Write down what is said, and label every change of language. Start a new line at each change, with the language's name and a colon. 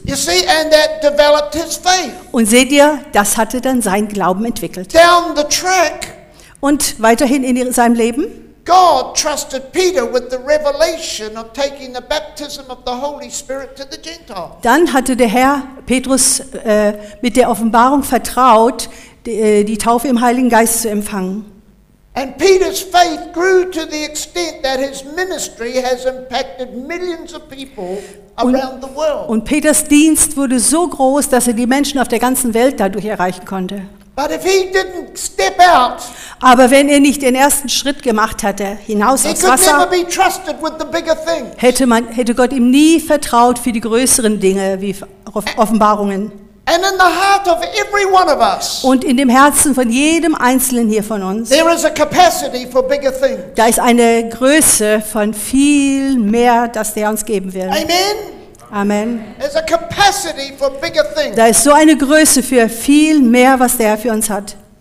English: You see, and that developed his faith.
German: Und seht ihr, das hatte dann seinen Glauben entwickelt.
English: Down the track,
German: und weiterhin in seinem Leben,
English: God trusted Peter with the revelation of taking the baptism of the Holy Spirit to the Gentiles.
German: Dann hatte der Herr Petrus mit der Offenbarung vertraut, die Taufe im Heiligen Geist zu empfangen.
English: And Peter's faith grew to the extent that his ministry has impacted millions of people around the world.
German: Und Peters Dienst wurde so groß, dass er die Menschen auf der ganzen Welt dadurch erreichen konnte.
English: But if he didn't step out,
German: aber wenn er nicht den ersten Schritt gemacht hatte, hinaus aufs Wasser,
English: never be trusted with the bigger things.
German: Hätte Gott ihm nie vertraut für die größeren Dinge wie Offenbarungen.
English: And in the heart of every one of us,
German: und in dem Herzen von jedem Einzelnen hier von uns,
English: there is a capacity for bigger things.
German: Da ist eine Größe von viel mehr, das der uns geben will.
English: Amen.
German: Amen.
English: There's a capacity for bigger things.
German: Da ist so eine Größe für viel mehr, was der für uns hat.